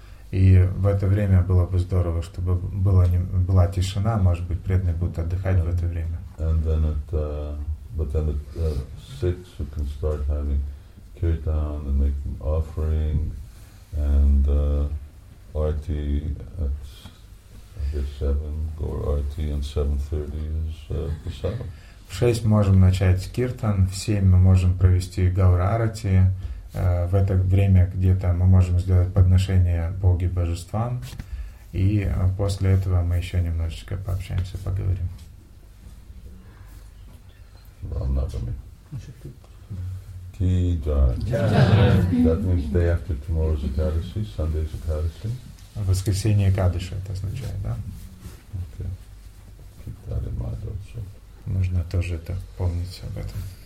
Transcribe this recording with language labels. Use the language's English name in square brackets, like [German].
[Russian] И в это время было бы здорово, чтобы была тишина, может быть, преданные будут отдыхать в это время. [English] And then at, but then at 6, we can start having kirtan and making offering, and arti at, I guess, 7, gaur arti, and 7:30 is prasad. [Russian] В 6 можем начать киртан, в 7 мы можем провести гаура арати. В это время где-то мы можем сделать подношение Боге Божествам, и после этого мы еще немножечко пообщаемся, поговорим. [Hindi] Ramnavami. Ki jai. [English] That means day after tomorrow is Ekadashi, Sunday is Ekadashi. [Russian] Воскресенье Экадыши это означает, да? [English] Okay. Keep that in mind also. [Russian] Нужно тоже это помнить об этом.